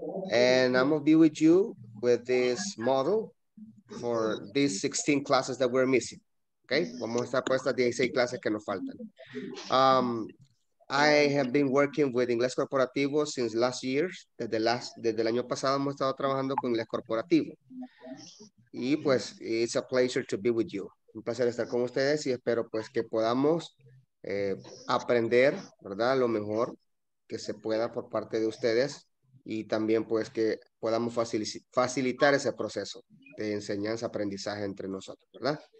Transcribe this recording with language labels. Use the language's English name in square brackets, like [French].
[English] And I'm gonna be with you with this model for these 16 classes that we're missing. [Spanish] Okay, vamos a estar por estas 16 clases que nos faltan. [English] I have been working with Inglés Corporativo since last year. [Spanish] Desde el año pasado hemos estado trabajando con Inglés Corporativo. Y pues, [English] it's a pleasure to be with you. [Spanish] Un placer estar con ustedes y espero pues que podamos aprender, ¿verdad? Lo mejor que se pueda por parte de ustedes y también pues que podamos facilitar ese proceso de enseñanza, aprendizaje entre nosotros, ¿verdad?